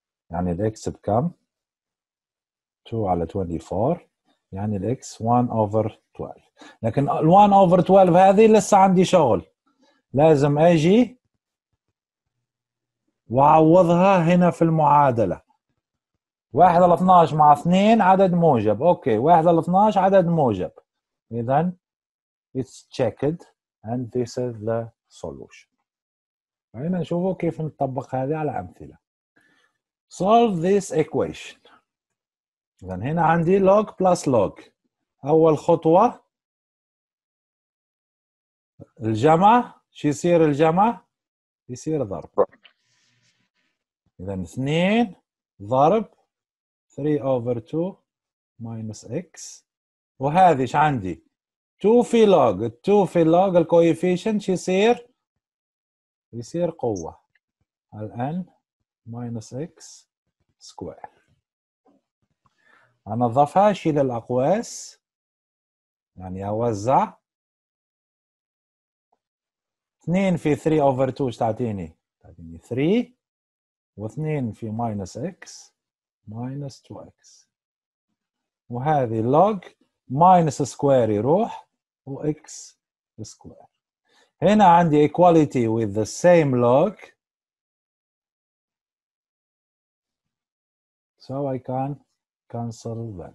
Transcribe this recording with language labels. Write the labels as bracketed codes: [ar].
[ar] يعني الإكس بكم؟ 2 على 24 يعني الإكس [en] 1 over 12. [ar] لكن [en] 1 over 12 [ar] هذه لسه عندي شغل، لازم أجي وأعوضها هنا في المعادلة. 1 على 12 مع 2 عدد موجب، اوكي 1 على 12 عدد موجب. [en] اذا it's checked and this is the solution. [ar] خلينا نشوفوا كيف نطبق هذه على امثله. [en] solve this equation. [ar] اذا هنا عندي log plus log، اول خطوه الجمع، شو يصير الجمع؟ يصير ضرب. اذا 2 ضرب [en] 3 over 2 minus x. [ar] وهذه ايش عندي؟ 2 في log 2 في log الكويفيشن يصير يصير قوة. الآن [en] minus x square [ar] أنظفها شيل الأقواس يعني أوزع 2 في [en] 3 over 2 [ar] تعطيني 3 و 2 في [en] minus x minus 2x [ar] وهذه log [en] minus square [ar] يروح و [en] x square. هنا عندي equality with the same log so I can cancel them.